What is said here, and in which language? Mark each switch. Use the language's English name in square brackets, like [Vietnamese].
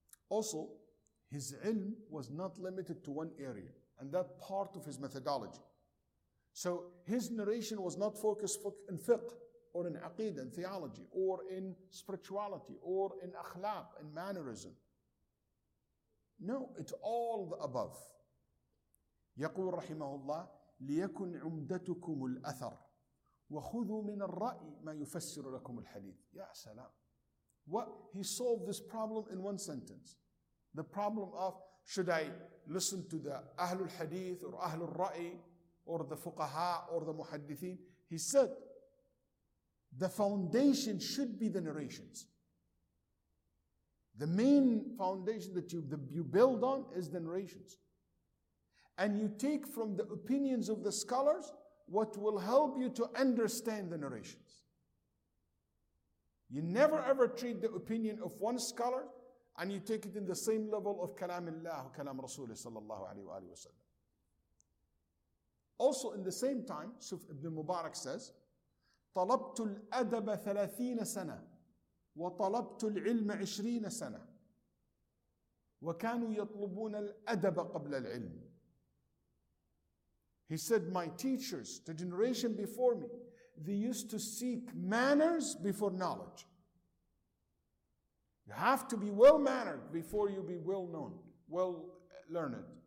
[English] Also, his ilm was not limited to one area, and that part of his methodology. So his narration was not focused in fiqh, or in aqidah, in theology, or in spirituality, or in akhlaq, in mannerism. No, it's all the above. [Arabic] يقول رحمه الله ليكن عمدتكم الأثر وخذوا من الرأي ما يفسر لكم الحديث. يا سلام. [English] What? He solved this problem in one sentence. The problem of should I listen to the Ahlul Hadith or Ahlul Ra'i or the Fuqaha or the Muhaddithin. He said the foundation should be the narrations. The main foundation that you build on is the narrations. And you take from the opinions of the scholars what will help you to understand the narrations. You never ever treat the opinion of one scholar and you take it in the same level of Kalam Allah, Kalam Rasul sallallahu alayhi wa sallam. Also in the same time, Suf ibn Mubarak says, [Arabic] طَلَبْتُ الْأَدَبَ 30 سَنَةً وَطَلَبْتُ الْعِلْمَ 20 سَنَةً وَكَانُوا يَطْلُبُونَ الْأَدَبَ قَبْلَ الْعِلْمِ. [English] He said, my teachers, the generation before me, they used to seek manners before knowledge. You have to be well-mannered before you be well-known, well-learned.